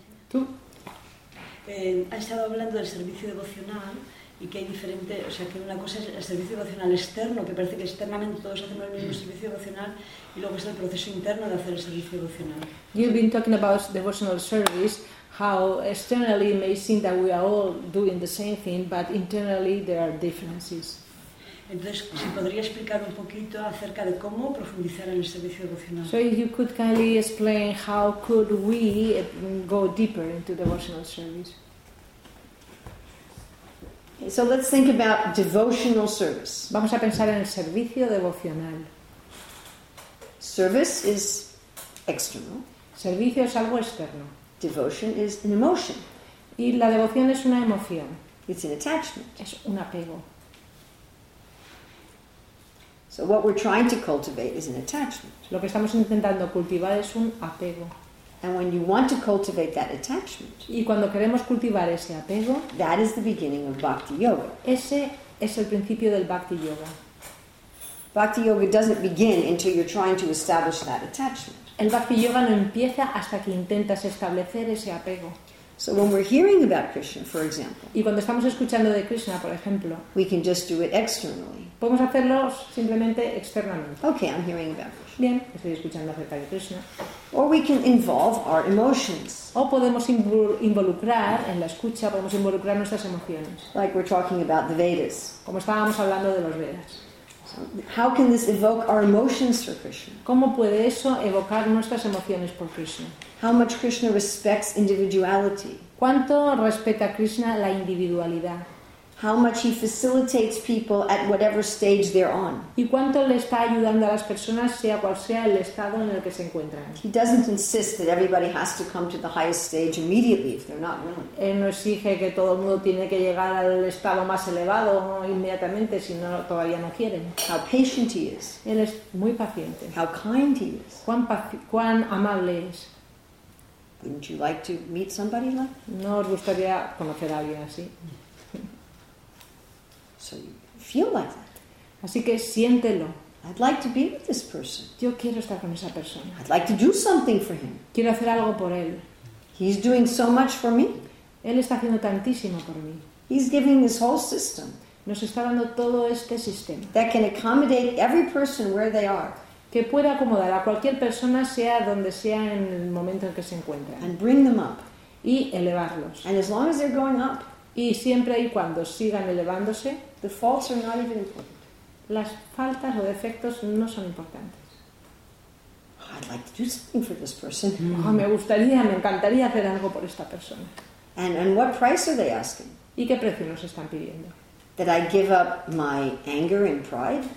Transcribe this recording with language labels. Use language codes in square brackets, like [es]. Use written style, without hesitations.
[es] ¿Tú? Ha estado hablando del servicio devocional y que hay diferente, o sea, que una cosa es el servicio devocional externo, que parece que externamente todos hacemos el mismo servicio devocional, y luego es el proceso interno de hacer el servicio devocional. [en] You've been talking about devotional service, how externally it may seem that we are all doing the same thing, but internally there are differences. [es] Entonces, si podría explicar un poquito acerca de cómo profundizar en el servicio devocional. [en] So you could kindly explain how could we go deeper into devotional service. Okay, so let's think about devotional service. [es] Vamos a pensar en el servicio devocional. [en] Service is external. [es] Servicio es algo externo. [en] Devotion is an emotion. [es] Y la devoción es una emoción. [en] It's an attachment. [es] Es un apego. [en] So what we're trying to cultivate is an attachment. [es] Lo que estamos intentando cultivar es un apego. [en] And when you want to cultivate that attachment, [es] y cuando queremos cultivar ese apego, [en] that is the beginning of bhakti yoga. [es] Ese es el principio del Bhakti Yoga. [en] Bhakti Yoga doesn't begin until you're trying to establish that attachment. [es] El Bhakti Yoga no empieza hasta que intentas establecer ese apego. [en] So when we're hearing about Krishna, for example, [es] y cuando estamos escuchando de Krishna, por ejemplo, [en] we can just do it externally. [es] Podemos hacerlo simplemente externamente. [en] Okay, I'm hearing about Krishna. [es] Bien, estoy escuchando acerca de Krishna. [en] Or we can involve our emotions. [es] O podemos involucrar en la escucha, podemos involucrar nuestras emociones. [en] Like we're talking about the Vedas. [es] Como estábamos hablando de los Vedas. [en] How can this evoke our emotions for Krishna? [es] ¿Cómo puede eso evocar nuestras emociones por Krishna? [en] How much Krishna respects individuality? [es] ¿Cuánto respeta Krishna la individualidad? [en] How much he facilitates people at whatever stage they're on? [es] ¿Y cuánto le está ayudando a las personas sea cual sea el estado en el que se encuentran? [en] He doesn't insist that everybody has to come to the highest stage immediately if they're not willing. [es] Él no exige que todo el mundo tiene que llegar al estado más elevado inmediatamente si no todavía no quieren. [en] How patient he is. [es] Él es muy paciente. [en] How kind he is. [es] Cuán amable es. [en] Wouldn't you like to meet somebody like that? [es] ¿No os gustaría conocer a alguien así? [en] So you feel like that. [es] Así que siéntelo. [en] I'd like to be with this person. [es] Yo quiero estar con esa persona. [en] I'd like to do something for him. [es] Quiero hacer algo por él. [en] He's doing so much for me. [es] Él está haciendo tantísimo por mí. [en] He's giving this whole system. [es] Nos está dando todo este sistema. [en] That can accommodate every person where they are. [es] Que pueda acomodar a cualquier persona sea donde sea en el momento en que se encuentra. [en] And bring them up. [es] Y elevarlos. [en] And as long as they're going up. [es] Y siempre y cuando sigan elevándose, [en] the faults are not even important. [es] Las faltas o defectos no son importantes. [en] I'd like to do something for this person. [es] Oh, me gustaría, me encantaría hacer algo por esta persona. [en] And what price are they asking? [es] ¿Y qué precio nos están pidiendo? [en] That I give up my anger and pride?